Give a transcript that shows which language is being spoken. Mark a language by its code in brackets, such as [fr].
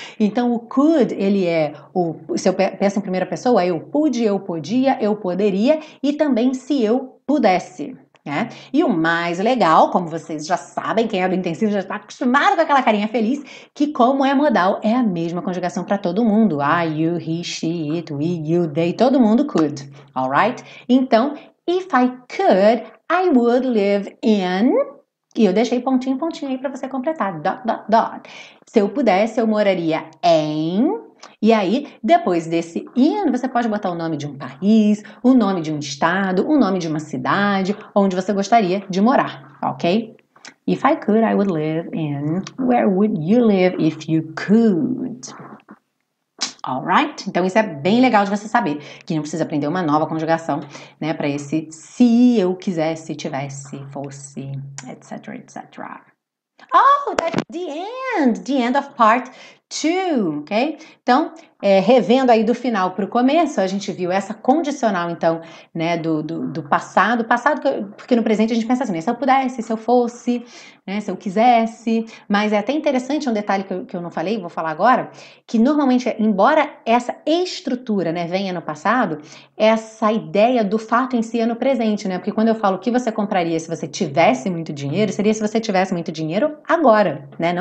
[pt] Então, o could, ele é o. Se eu penso em primeira pessoa, eu pude, eu podia, eu poderia, e também se eu pudesse. Né? E o mais legal, como vocês já sabem, quem é do intensivo já está acostumado com aquela carinha feliz, que como é modal, é a mesma conjugação para todo mundo. [en] I, you, he, she, it, we, you, they, [pt] todo mundo [en] could. Alright? [pt] Então, [en] if I could, I would live in. [pt] E eu deixei pontinho, pontinho aí para você completar. [en] Dot, dot, dot. [pt] Se eu pudesse, eu moraria em. E aí, depois desse in, você pode botar o nome de um país, o nome de um estado, o nome de uma cidade, onde você gostaria de morar, ok? [en] If I could, I would live in. Where would you live if you could? Alright? [pt] Então, isso é bem legal de você saber, que não precisa aprender uma nova conjugação, né, para esse se eu quisesse, tivesse, fosse, etc, etc. [en] Oh, that's the end of part two, ok? [pt] Então, revendo aí do final para o começo, a gente viu essa condicional, então, né, do passado. Passado, porque no presente a gente pensa assim, né, se eu pudesse, se eu fosse, né, se eu quisesse. Mas é até interessante um detalhe que eu não falei, vou falar agora, que normalmente, embora essa estrutura, né, venha no passado, essa ideia do fato em si é no presente, né? Porque quando eu falo o que você compraria se você tivesse muito dinheiro, seria se você tivesse muito dinheiro agora, né?